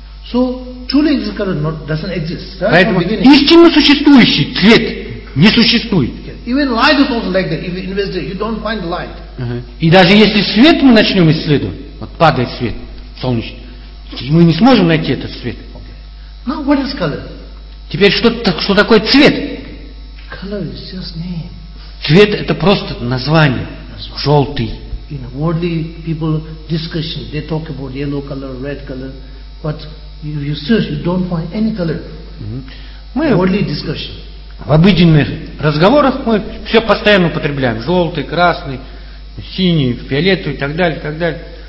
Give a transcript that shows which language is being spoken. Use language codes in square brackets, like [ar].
[en] So, truly this color doesn't exist. Right? [ru] Поэтому истинно существующий цвет не существует. [en] Even light is also like that. If you investigate, you don't find light. [ru] И даже если свет мы начнем исследовать, вот падает свет солнечный, мы не сможем найти этот свет. [en] Okay. Now what is color? [ru] Теперь что такое цвет? [en] Color is just name. [ru] Цвет это просто название. Желтый. [en] In worldly people discussion, they talk about yellow color, red color, but if you search, you don't find any color. Worldly discussion. [ru] В обыденных разговорах мы все постоянно употребляем. Желтый, красный, синий, фиолетовый и так далее, и так далее.